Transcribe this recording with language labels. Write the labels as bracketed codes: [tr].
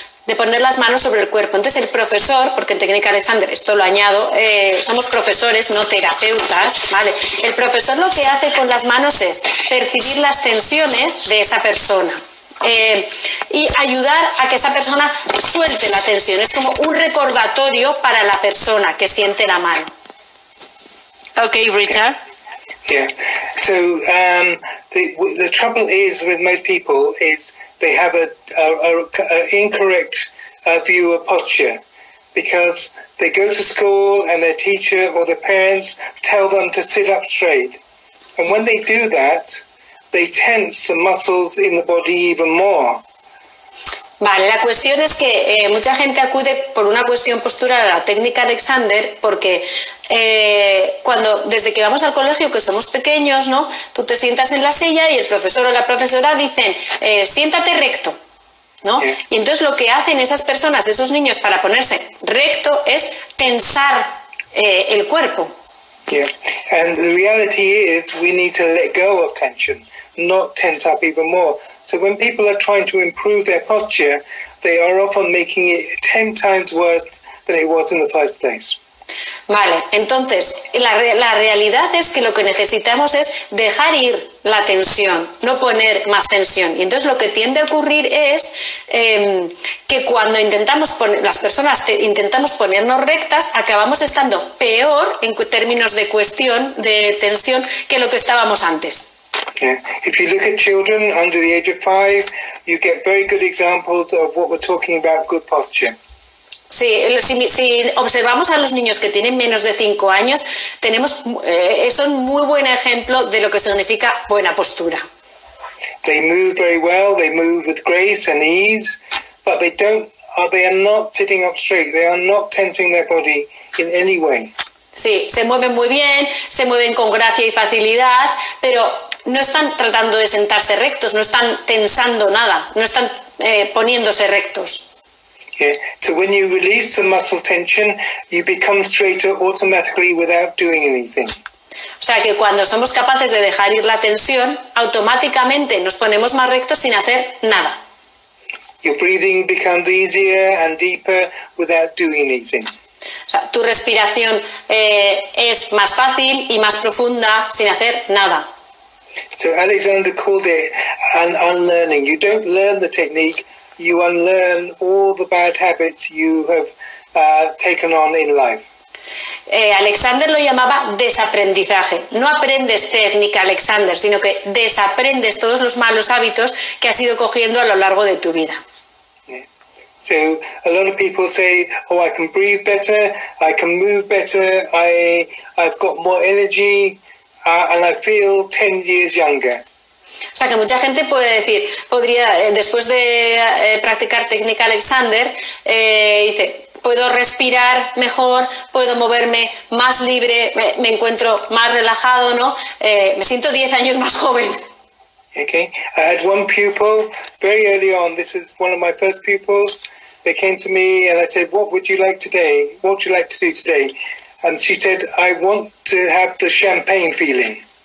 [es] De poner las manos sobre el cuerpo. Entonces el profesor, porque en técnica Alexander, esto lo añado, somos profesores, no terapeutas, ¿vale? El profesor lo que hace con las manos es percibir las tensiones de esa persona y ayudar a que esa persona suelte la tensión. Es como un recordatorio para la persona que siente la mano. [en] Ok, Richard. Yeah. So the trouble is with most people is they have an incorrect view of posture, because they go to school and their teacher or their parents tell them to sit up straight. And when they do that, they tense the muscles in the body even more. [es] Vale, la cuestión es que mucha gente acude por una cuestión postural a la técnica Alexander porque desde que vamos al colegio, que somos pequeños, ¿no? Tú te sientas en la silla y el profesor o la profesora dicen, siéntate recto, ¿no? Y entonces lo que hacen esas personas, esos niños, para ponerse recto es tensar el cuerpo. [en] Yeah, and the reality is we need to let go of tension, not tense up even more. So when people are trying to improve their posture, they are often making it 10 times worse than it was in the first place. [es] Vale, entonces la realidad es que lo que necesitamos es dejar ir la tensión, no poner más tensión. Y entonces lo que tiende a ocurrir es que cuando intentamos poner, las personas intentamos ponernos rectas, acabamos estando peor en términos de cuestión de tensión que lo que estábamos antes. [en] Yeah. If you look at children under the age of 5, you get very good examples of what we're talking about, good posture. [es] Sí, si observamos a los niños que tienen menos de 5 años, tenemos es un muy buen ejemplo de lo que significa buena postura. [en] They move very well, they move with grace and ease, but they are not sitting up straight, they are not tensing their body in any way. [es] Sí, se mueven muy bien, se mueven con gracia y facilidad, pero no están tratando de sentarse rectos, no están tensando nada, no están poniéndose rectos. [en] Yeah. So when you release the muscle tension, you become straighter automatically without doing anything. [es] O sea que cuando somos capaces de dejar ir la tensión, automáticamente nos ponemos más rectos sin hacer nada. [en] Your breathing becomes easier and deeper without doing anything. [es] O sea, tu respiración es más fácil y más profunda sin hacer nada. [en] So Alexander called it an unlearning. You don't learn the technique. You unlearn all the bad habits you have taken on in life. [es] Alexander lo llamaba desaprendizaje. No aprendes técnica, Alexander, sino que desaprendes todos los malos hábitos que has ido cogiendo a lo largo de tu vida. [en] Yeah. So a lot of people say, oh, I can breathe better, I can move better, I've got more energy, and I feel 10 years younger. [es] O sea, que mucha gente puede decir, podría, después de practicar técnica Alexander, dice, puedo respirar mejor, puedo moverme más libre, me encuentro más relajado, ¿no? Me siento 10 años más joven. [en] Okay. I had one pupil, very early on, this was one of my first pupils, they came to me and I said, what would you like today? What would you like to do today? And she said, I want to have the champagne feeling.